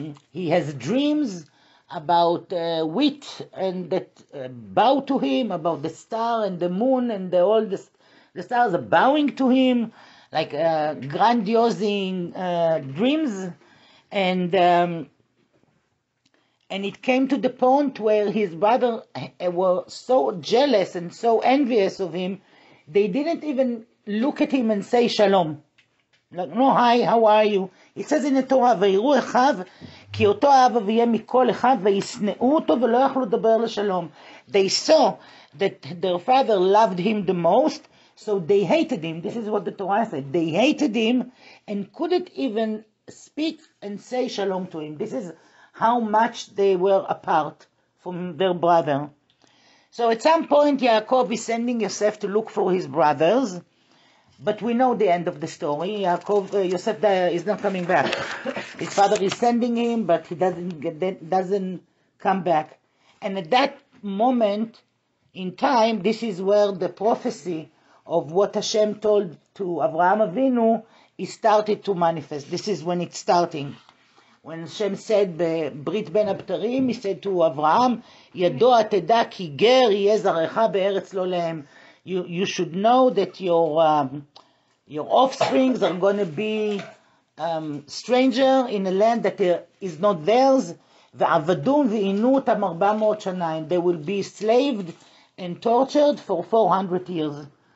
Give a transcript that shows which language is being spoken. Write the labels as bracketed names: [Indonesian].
[English] He has dreams about wheat and that bow to him, about the star and the moon and all the stars are bowing to him, like grandiose dreams. And it came to the point where his brother were so jealous and so envious of him, they didn't even look at him and say shalom. Like, no, hi, how are you? It says in the Torah, [Hebrew] ויראו אחיו, כי אותו אהב אביה מכל אחד, וישנאו אותו ולא יכלו לדבר לשלום. [English] They saw that their father loved him the most, so they hated him. This is what the Torah said. They hated him and couldn't even speak and say shalom to him. This is how much they were apart from their brother. So at some point, Yaakov is sending Yosef to look for his brothers. But we know the end of the story. Yaakov, Yosef is not coming back. His father is sending him, but he doesn't come back. And at that moment in time, this is where the prophecy of what Hashem told to Avraham Avinu started to manifest. This is when it's starting. When Hashem said [Hebrew] בברית בין הבתרים, [English] he said to Abraham, [Hebrew] ידוע תדע כי גר יהיה זרעך בארץ לא להם. [English] You should know that your offsprings are going to be stranger in a land that is not theirs. [Hebrew] ועבדום ועינו אותם 400 שנה. [English] They will be slaved and tortured for 400 years.